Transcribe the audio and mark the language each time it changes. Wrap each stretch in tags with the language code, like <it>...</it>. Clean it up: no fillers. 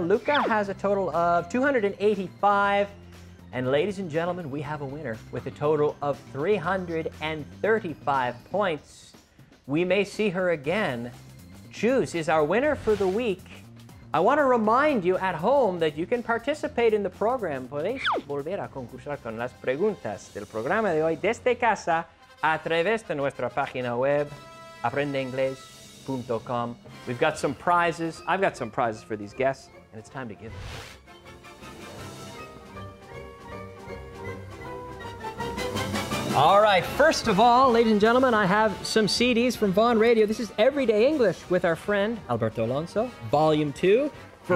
<en>Luca has a total of 285. And ladies and gentlemen, we have a winner with a total of 335 points. We may see her again. Choose is our winner for the week. I want to remind you at home that you can participate in the program.</en> <es>Podéis volver a concursar con las preguntas del programa de hoy desde casa a través de nuestra página web, aprendeinglés.com.</es> <en>We've got some prizes. I've got some prizes for these guests, and it's time to give them. All right, first of all, ladies and gentlemen, I have some CDs from Vaughan Radio. This is Everyday English with our friend Alberto Alonso, Volume 2, for</en>